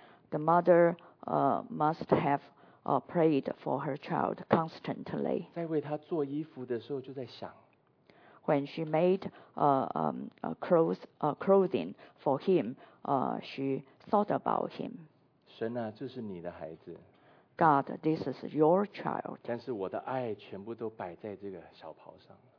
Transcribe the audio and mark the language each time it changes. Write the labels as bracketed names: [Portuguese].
[English] The mother must have prayed for her child constantly. [Chinese] 在为她做衣服的时候就在想。 [English] When she made clothing for him, she thought about him. [Chinese] 神啊，这是你的孩子。 [English] God, this is your child. [Chinese] 但是我的爱全部都摆在这个小袍上。